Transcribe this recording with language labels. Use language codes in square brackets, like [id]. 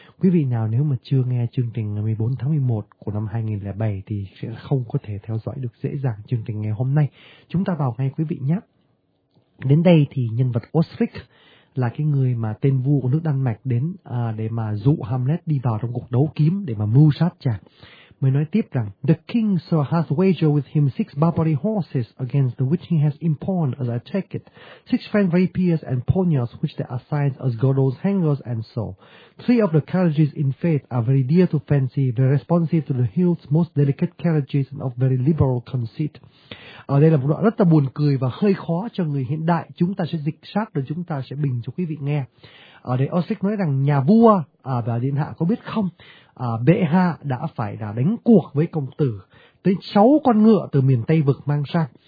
[vi] Quý vị nào nếu mà chưa nghe chương trình ngày 14 tháng 11 của năm 2007 thì sẽ không có thể theo dõi được dễ dàng chương trình ngày hôm nay. Chúng ta vào ngay quý vị nhé. Đến đây thì nhân vật Osric là cái người mà tên vua của nước Đan Mạch đến để mà dụ Hamlet đi vào trong cuộc đấu kiếm để mà mưu sát chàng. Mới nói tiếp rằng, [en] the king so hath wagered with him 6 barbary horses against the which he has impawned as I take it, 6 friend rapiers and poniards which they assigned as girdles, hangers and so. 3 of the carriages in faith are very dear to fancy, very responsive to the hilts, most delicate carriages and of very liberal conceit. [vi] Ở đây là một đoạn rất là buồn cười và hơi khó cho người hiện đại. Chúng ta sẽ dịch sát rồi chúng ta sẽ bình cho quý vị nghe. Ở đây Osric nói rằng nhà vua và điện hạ có biết không? Bệ hạ đã phải là đánh cuộc với công tử tới 6 con ngựa từ miền Tây vực mang sang.